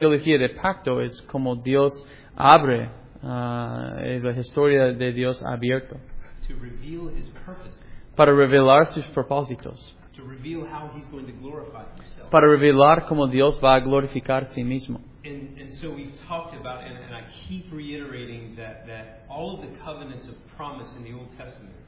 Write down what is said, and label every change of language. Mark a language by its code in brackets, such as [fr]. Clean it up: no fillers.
[es] teología de pacto es como Dios abre, la historia de Dios abierto. [en] To reveal his purpose. [es] Para revelar sus propósitos. [en] To reveal how he's going to glorify himself. [es] Para revelar cómo Dios va a glorificar a sí mismo. [en] And so we've talked about, and I keep reiterating that all of the covenants of promise in the Old Testament.